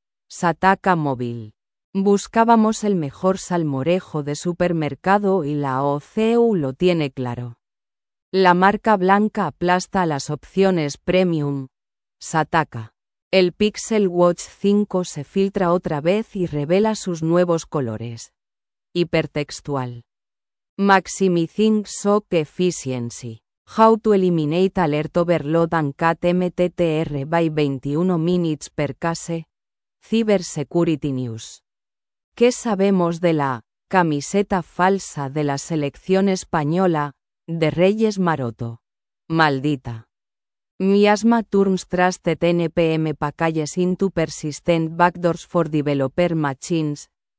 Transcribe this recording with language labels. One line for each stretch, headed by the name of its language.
Spanish: Sataka Móvil. Buscábamos el mejor salmorejo de supermercado y la OCU lo tiene claro. La marca blanca aplasta a las opciones premium. Sataka. El Pixel Watch 5 se filtra otra vez y revela sus nuevos colores.
English: Hipertextual. Maximizing SOC Efficiency. How to eliminate alert overload and cat MTTR by 21 minutes per case. Cybersecurity News.
Spanish: ¿Qué sabemos de la camiseta falsa de la selección española de Reyes Maroto?
English: Maldita. Miasma turns trusted NPM packages into persistent backdoors for developer machines.